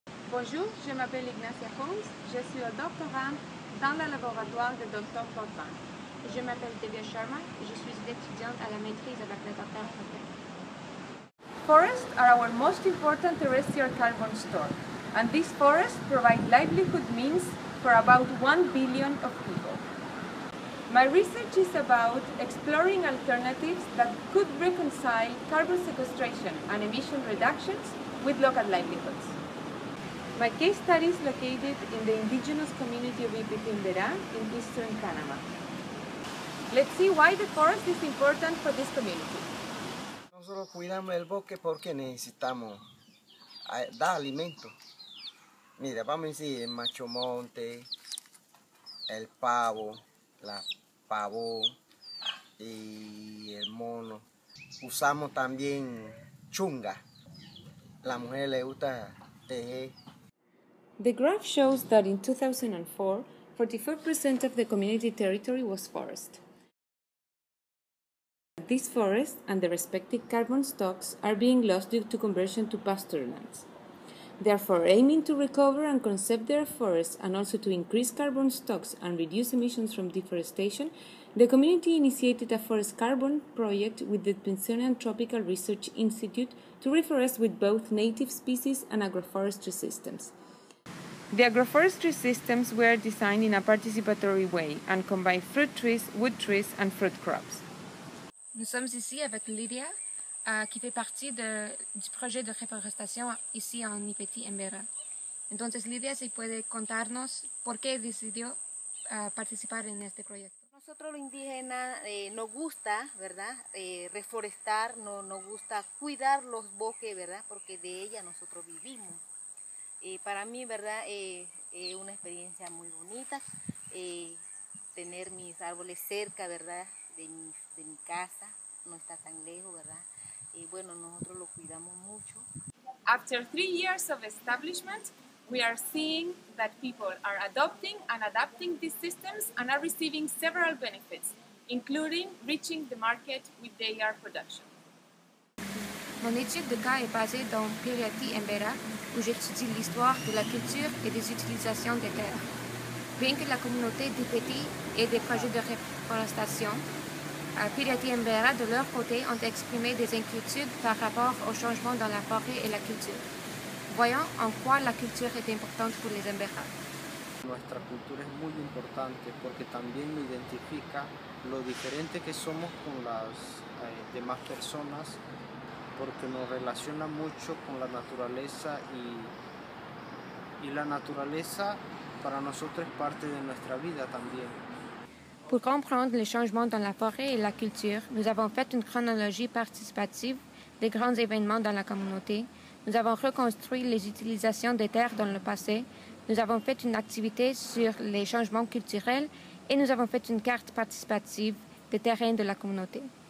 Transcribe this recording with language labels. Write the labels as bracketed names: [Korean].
[French] Bonjour, je m'appelle Ignacia Holmes, je suis un doctorante dans le laboratoire de Dr. Fortin. Je m'appelle Devia Sharma, je suis étudiante à la maîtrise avec le Dr. Fortin. [English] Forests are our most important terrestrial carbon store, and these forests provide livelihood means for about 1 billion of people. My research is about exploring alternatives that could reconcile carbon sequestration and emission reductions with local livelihoods. My case study is located in the indigenous community of Ipetí-Emberá in eastern Panama. Let's see why the forest is important for this community. [Spanish] Nosotros cuidamos el bosque porque necesitamos dar alimento. Mira, vamos a decir el macho monte, el pavo, la pavo y el mono. Usamos también chunga. La mujer le gusta tejer. [English] The graph shows that in 2004, 44% of the community territory was forest. These forests and the respective carbon stocks are being lost due to conversion to pasturelands. Therefore, aiming to recover and conserve their forests and also to increase carbon stocks and reduce emissions from deforestation, the community initiated a forest carbon project with the Pensionian Tropical Research Institute to reforest with both native species and agroforestry systems. The agroforestry systems were designed in a participatory way and combined fruit trees, wood trees and fruit crops. [French] Nous sommes ici avec Lydia, qui fait partie du projet de reforestation ici en Ipetí-Emberá. [Spanish] Entonces, Lydia, si puede contarnos por qué decidió participar en este proyecto. Nosotros los indígenas nos gusta, ¿verdad?, reforestar, nos gusta cuidar los bosques, ¿verdad?, porque de ella nosotros vivimos. Para mí, ¿verdad?, una experiencia muy bonita, tener mis árboles cerca, ¿verdad?, de mi casa, no está tan lejos, ¿verdad? Y bueno, nosotros lo cuidamos mucho. [English] After 3 years of establishment, we are seeing that people are adopting and adapting these systems and are receiving several benefits, including reaching the market with their production. [French] Mon étude de cas est basée dans Ipetí-Emberá, où j'étudie l'histoire de la culture et des utilisations des terres. Bien que la communauté d'Ipetí ait des projets de reforestation, Ipetí-Emberá, de leur côté, ont exprimé des inquiétudes par rapport au changement dans la forêt et la culture. Voyons en quoi la culture est importante pour les Emberá. [Spanish] Nuestra cultura es muy importante porque también nos identifica lo diferente que somos con las demás personas, porque nos relaciona mucho con la naturaleza y la naturaleza para nosotros es parte de nuestra vida también. [French] Pour comprendre les changements dans la forêt et la culture, nous avons fait une chronologie participative des grands événements dans la communauté. Nous avons reconstruit les utilisations des terres dans le passé. Nous avons fait une activité sur les changements culturels et nous avons fait une carte participative des terrains de la communauté.